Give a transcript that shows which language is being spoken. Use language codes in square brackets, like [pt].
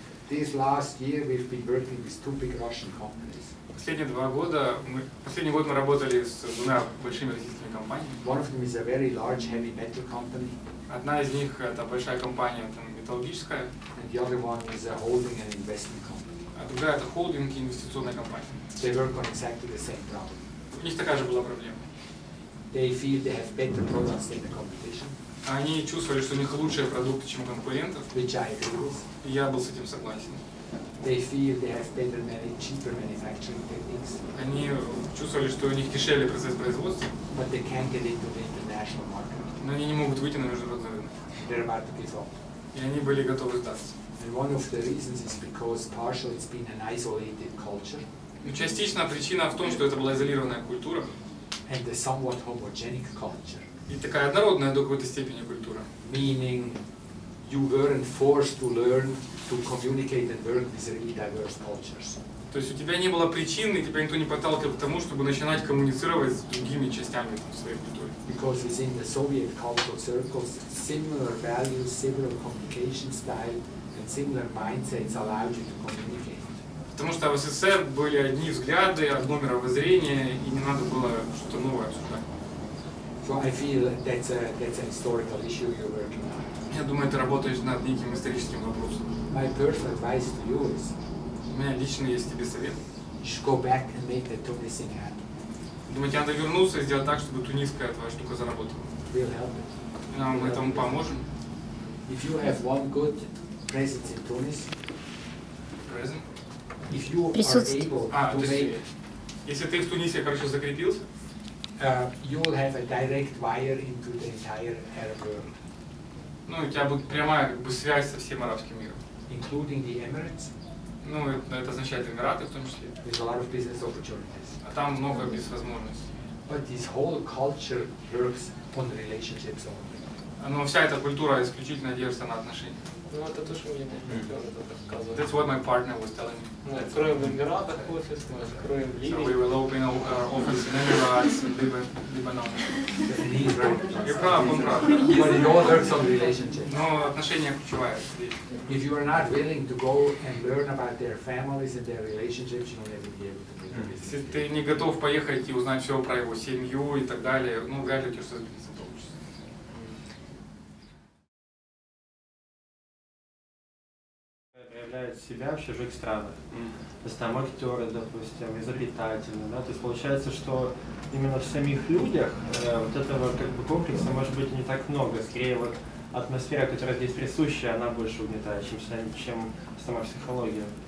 [en] This last year we've been working with two big Russian companies. [ru] Последние два года мы работали с двумя большими российскими компаниями. [en] One of them is a very large heavy metal company. [ru] Одна из них это большая компания, там металлургическая. [en] And the other one is a holding and investment company. [ru] А другая это холдинг и инвестиционная компания. [en] They work on exactly the same problem. [ru] У них такая же была проблема. [en] They feel they have better products than the competition. [ru] Они чувствовали, что у них лучшие продукты, чем у конкурентов. [en] Which I agree with. [ru] И я был с этим согласен. [en] They feel they have better, cheaper manufacturing techniques. [ru] Они чувствовали, что у них дешевле процесс производства. [en] But they can't get into the international market. [ru] Но они не могут выйти на международный рынок. [en] They're about to give up. [ru] И они были готовы сдаться. [en] And one of the reasons is because partially it's been an isolated culture. [ru] Но частично причина в том, что это была изолированная культура. [en] And a somewhat homogenic culture. [ru] И такая однородная до какой-то степени культура. [en] Meaning you weren't forced to learn to communicate and work with really diverse cultures. [ru] То есть у тебя не было причины, тебя никто не подталкивал к тому, чтобы начинать коммуницировать с другими частями там, своей культуры. [en] Because within the Soviet cultural circles, similar values, similar communication style, and similar mindsets allowed you to communicate. [ru] Потому что в СССР были одни взгляды, одно мировоззрение, и не надо было что-то новое обсуждать. [en] So I feel that's a historical issue you're working on. [ru] Я думаю, ты работаешь над неким историческим вопросом. [en] My personal advice to you is. [ru] У меня лично есть тебе совет. [en] You should go back and make the Tunisian happen. [ru] Думаю, тебе надо вернуться и сделать так, чтобы тунисская твоя штука заработала. [en] We'll help it. [ru] Нам мы этому поможем. [en] If you have one good presence in Tunis. Present? If you are able to make, [ru] если ты в Тунисе хорошо закрепился, [en] you will have a direct wire into the entire Arab world. [ru] Ну, у тебя будет прямая как бы связь со всем арабским миром. [en] Including the Emirates. [ru] Ну, это означает Эмираты в том числе. [en] With a lot of business opportunities. [ru] А там много бизнес возможностей. [en] But this whole culture works on relationships only. [ru] Но вся эта культура исключительно держится на отношениях. Ну это то, что мне рассказывали. [en] That's what my partner was telling me. [ru] Мы откроем в Эмиратах офис, мы откроем в Ливии. [en] So we will open our office in Emirates, Lebanon. You're [ru] прав, он прав. [en] But it all works on relationships. [ru] Но отношения ключевые. [en] If you are not willing to go and learn about their families and their relationships, you will never be able to make a business. [ru] Если ты не готов поехать и узнать все про его семью и так далее, ну вряд ли у тебя что-то получится. Себя в чужих странах, то есть там актеры, допустим, изобретательные, да, то есть получается, что именно в самих людях вот этого как бы комплекса может быть не так много, скорее вот атмосфера, которая здесь присуща, она больше угнетает, чем сама психология.